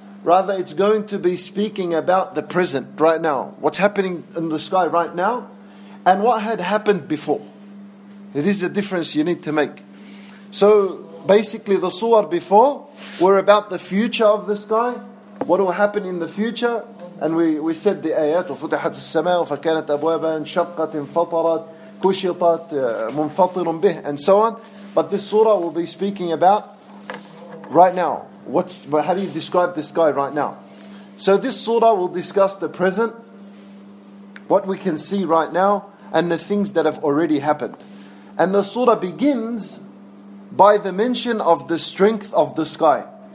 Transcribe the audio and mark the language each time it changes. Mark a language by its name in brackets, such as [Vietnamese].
[English] Rather, it's going to be speaking about the present right now. What's happening in the sky right now and what had happened before. It is a difference you need to make. So basically the surah before were about the future of the sky. What will happen in the future? And we said the ayat, [Arabic] وَفُتِحَتِ السَّمَاءُ فَكَانَتْ أَبْوَابًا شَقَّتْ انْفَطَرَتْ كُشِطَتْ مُنْفَطِرٌ بِهِ, [English] and so on. But this surah will be speaking about right now. How do you describe the sky right now? So this surah will discuss the present, what we can see right now, and the things that have already happened. And the surah begins by the mention of the strength of the sky.